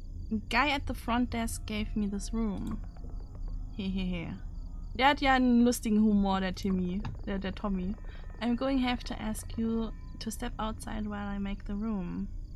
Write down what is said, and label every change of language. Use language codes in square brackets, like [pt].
[en] A guy at the front desk gave me this room. Hehehe. [de] Der hat ja einen lustigen Humor, der Tommy. [en] I'm going to have to ask you to step outside while I make the room.